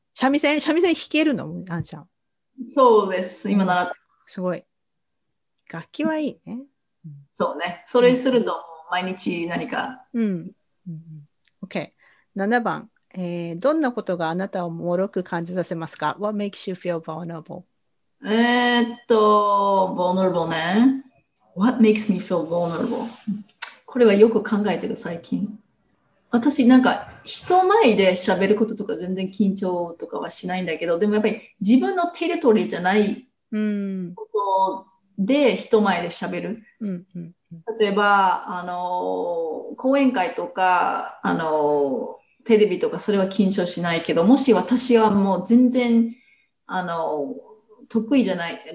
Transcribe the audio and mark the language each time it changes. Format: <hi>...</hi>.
<ja>三味線弾けるの？あんちゃん。そうです。今習ってすごい。楽器はいいね。そうね。それすると毎日何か。 OK。 7番。どんなことがあなたを脆く感じさせますか？</ja> <en>What makes you feel vulnerable？</en> <ja>vulnerable ね。</ja> <en>What makes me feel vulnerable?</en> <ja>これはよく考えてる、最近。私なんか人前で喋ることとか全然緊張とかはしないんだけど、でもやっぱり自分のテリトリーじゃないことで人前で喋る。例えば、講演会とか、テレビとかそれは緊張しないけど、もし私はもう全然、得意じゃない。</ja>